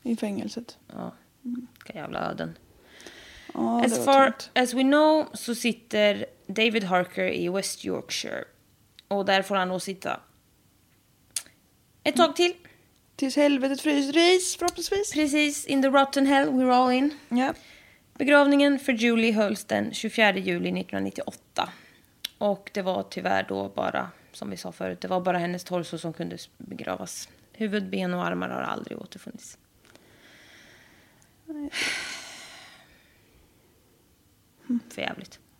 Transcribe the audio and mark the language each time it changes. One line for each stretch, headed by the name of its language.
Swedish: I fängelset. Ja. Vilka jävla öden. Ja,
English: as far as we know
Swedish: så sitter David Harker i West Yorkshire. Och där får han nog sitta. Ett tag till. Tills helvetet fryser is, förhoppningsvis.
English: Precis, in the rotten hell we're all in. Yeah.
Swedish: Begravningen för Julie hölls den 24 juli 1998. Och det var tyvärr då bara, som vi sa förut, det var bara hennes torso som kunde begravas. Huvud, ben och armar har aldrig återfunnits. Mm. För jävligt.